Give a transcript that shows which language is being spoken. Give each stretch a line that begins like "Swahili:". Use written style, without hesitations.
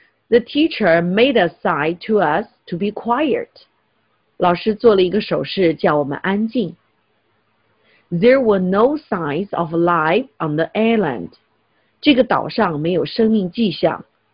English: The teacher made a sign to us to be quiet.
Chinese: 老师做了一个手势叫我们安静。
English: There were no signs of life on the island.
Chinese: 这个岛上没有生命迹象。